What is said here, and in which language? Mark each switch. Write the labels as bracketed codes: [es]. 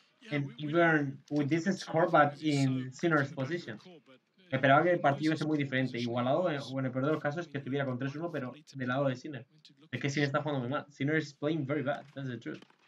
[en] And even with this score, but in Sinner's position. [es] Esperaba que el partido fuese muy diferente. Igualado, o en el peor de los casos, que estuviera con 3-1, pero del lado de Sinner. Es que Sinner está jugando muy mal. [en] Sinner is playing very bad, that's the truth.